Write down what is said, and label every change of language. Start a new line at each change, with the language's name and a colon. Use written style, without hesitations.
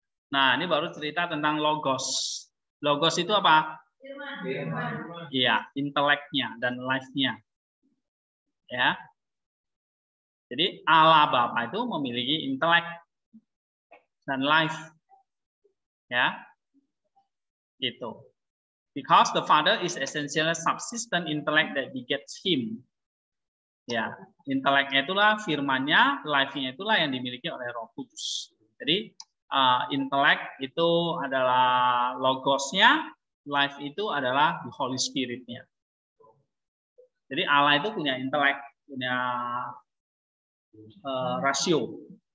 Indonesian: Nah, ini baru cerita tentang logos. Logos itu apa? Iya, intelektnya dan life-nya. Ya. Jadi Allah Bapa itu memiliki intelek dan life. Ya. Gitu.
English: Because the Father is essentially subsistent intellect that begets him.
Indonesian: Ya, intelektnya itulah firman-Nya, life-nya itulah yang dimiliki oleh Roh Kudus. Jadi, intelek itu adalah logos-nya, life itu adalah
English: the Holy Spirit-
Indonesian: nya. Jadi Allah itu punya intelek, punya rasio.